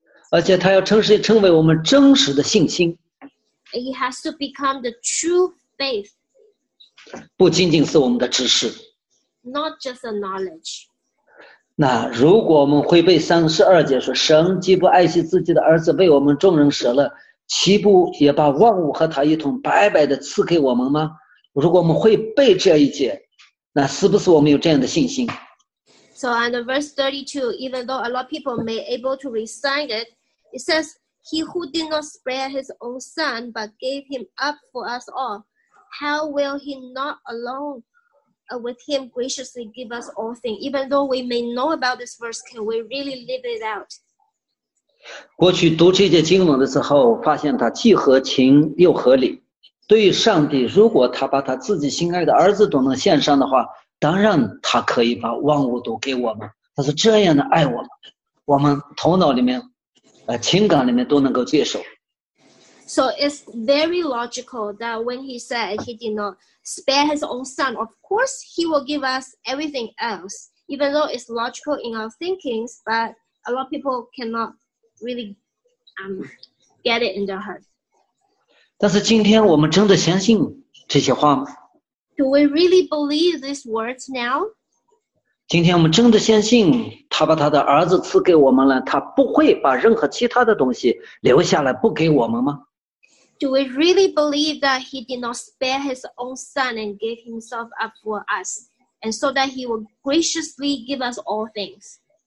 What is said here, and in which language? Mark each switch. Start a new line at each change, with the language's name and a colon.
Chinese: 而且它要成为我们真实的信心。
English: It has to become the truth.
Chinese: 不仅仅是我们的知识
English: ，not just a knowledge。
Chinese: 那如果我们会背三十二节说，神既不爱惜自己的儿子为我们众人舍了，岂不也把万物和他一同白白的赐给我们吗？如果我们会背这一节，那是不是我们有这样的信心
English: ？So on the verse 32, even though a lot of people may able to recite it, it says, "He who did not spare his own son, but gave him up for us all." How will he not alone with him graciously give us all things? Even though we may know about this verse, can we really live it out?
Chinese: 过去读这些经文的时候，发现它既合情又合理。对于上帝，如果他把他自己心爱的儿子都能献上的话，当然他可以把万物都给我们。他是这样的爱我们，我们头脑里面，情感里面都能够接受。
English: So it's very logical that when he said he did not spare his own son, of course he will give us everything else, even though it's logical in our thinkings, but a lot of people cannot really get it in their heart.
Chinese: 但是今天我们真的相信这些话吗？
English: Do we really believe these words now?
Chinese: 今天我们真的相信他把他的儿子赐给我们了，他不会把任何其他的东西留下来不给我们吗？
English: Do we really believe that he did not spare his own son and gave himself up for us, and so that he will graciously give us all things?